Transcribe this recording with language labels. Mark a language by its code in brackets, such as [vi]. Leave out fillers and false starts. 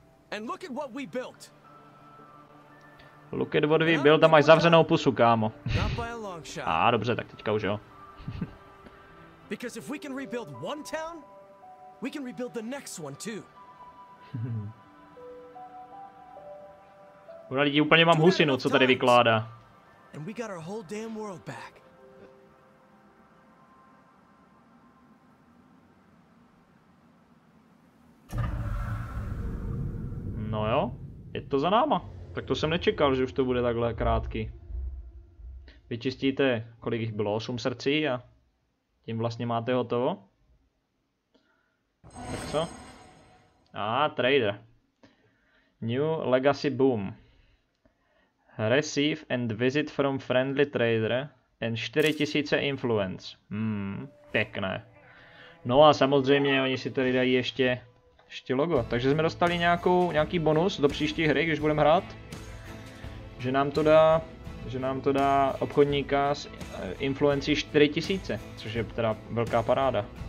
[en] And look at what we built. Look at what we built, [cs] a máš zavřenou pusu, kámo. [en] Not by a long shot. [cs] Ah, dobře, tak teďka už jo. [en] Because if we can rebuild one town, we can rebuild the next one too. [cs] Ura lidi, úplně mám husinu, co tady vykládá. [en] And we got our whole damn world back. [cs] No jo, je to za náma. Tak to jsem nečekal, že už to bude takhle krátký. Vyčistíte, kolik jich bylo, 8 srdcí a tím vlastně máte hotovo. Tak co? [en] A trader. New legacy boom. Receive and visit from friendly trader and 4000 influence. [cs] Pěkné. No a samozřejmě oni si tady dají ještě logo, takže jsme dostali nějaký bonus do příští hry, když budeme hrát. Že nám to dá obchodníka s influencí 4000, což je teda velká paráda.